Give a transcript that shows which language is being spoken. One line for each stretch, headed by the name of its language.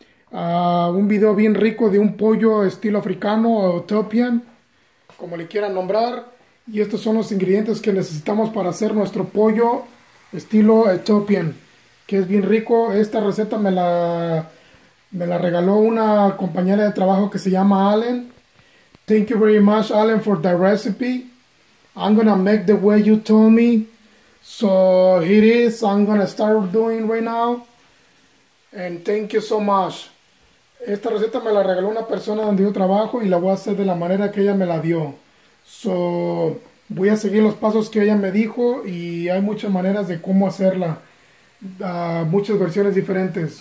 Spanish: Un video bien rico de un pollo estilo africano o Ethiopian, como le quieran nombrar. Y estos son los ingredientes que necesitamos para hacer nuestro pollo estilo Ethiopian, que es bien rico. Esta receta me la regaló una compañera de trabajo que se llama Allen.
English: Thank you very much, Allen, for the recipe. I'm gonna make the way you told me. So here is, I'm gonna start doing right now. And thank you so much.
Spanish: Esta receta me la regaló una persona donde yo trabajo y la voy a hacer de la manera que ella me la dio. So voy a seguir los pasos que ella me dijo y hay muchas maneras de cómo hacerla, muchas versiones diferentes.